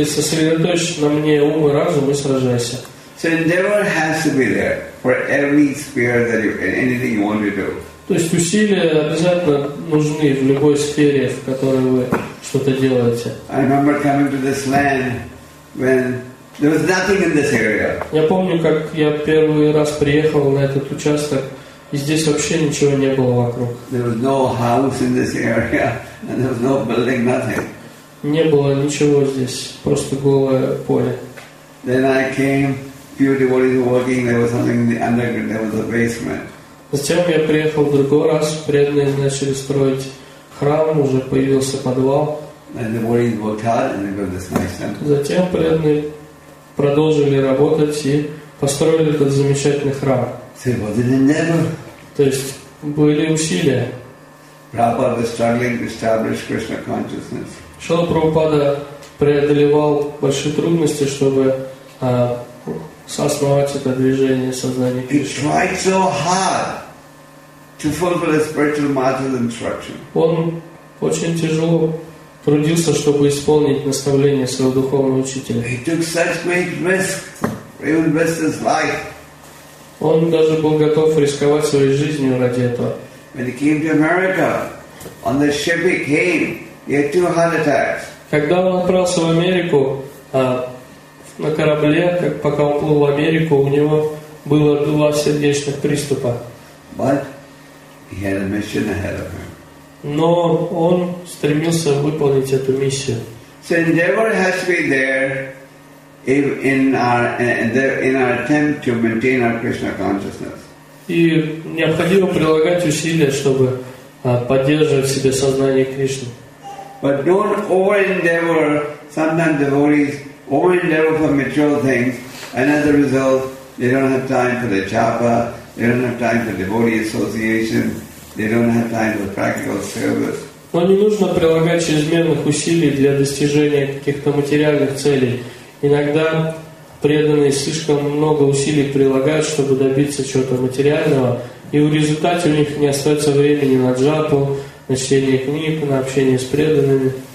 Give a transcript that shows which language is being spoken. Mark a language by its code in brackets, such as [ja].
[ru] есть сосредоточься на мне ум и разум и сражайся. [en] So to do. [ru] То есть усилия обязательно нужны в любой сфере, в которой вы что-то делаете. [en] I remember coming to this land when there was nothing in this area. [ru] Я помню, как я первый раз приехал на этот участок, и здесь вообще ничего не было вокруг. [en] There was no house in this area, and there was no building, nothing. [ru] Не было ничего здесь, просто голое поле. [en] Then I came, few devotees were working, there was something in the underground, there was a basement. [ru] Затем я приехал в другой раз, преданные начали строить храм, уже появился подвал. [en] And the devotees worked hard, and they built this nice temple. [ru] Затем преданные продолжили работать и построили этот замечательный храм. [en] So, never. [ru] То есть были усилия. [en] Prabhupada was struggling to establish Krishna consciousness. [ru] Шрила Прабхупада преодолевал большие трудности, чтобы основать это движение сознания Кришны. [en] He tried so hard to fulfill the spiritual master's instruction. [ru] Он очень тяжело трудился, чтобы исполнить наставление своего духовного учителя. [en] He took such great risk, even risked his life. [ru] Он даже был готов рисковать своей жизнью ради этого. [en] When he came to America, on the ship he came, he had 2 heart attacks. [ru] Когда он отправился в Америку на корабле, пока он плыл в Америку, у него было 2 сердечных приступа. [en] But he had a mission ahead of him. [ru] Но он стремился выполнить эту миссию. [en] So endeavor has to be there in our attempt to maintain our Krishna consciousness. [ru] И необходимо прилагать усилия, чтобы поддерживать в себе сознание Кришны. [en] But don't over-endeavor. Sometimes devotees over-endeavor for material things, and as a result, they don't have time for the japa, they don't have time for devotee association. They don't have time for practical service. [ru] Но не нужно прилагать чрезмерных усилий для достижения каких-то материальных целей. Иногда преданные слишком много усилий прилагают, чтобы добиться чего-то материального, и в результате у них не остается времени на джапу, на чтение книг, на общение с преданными.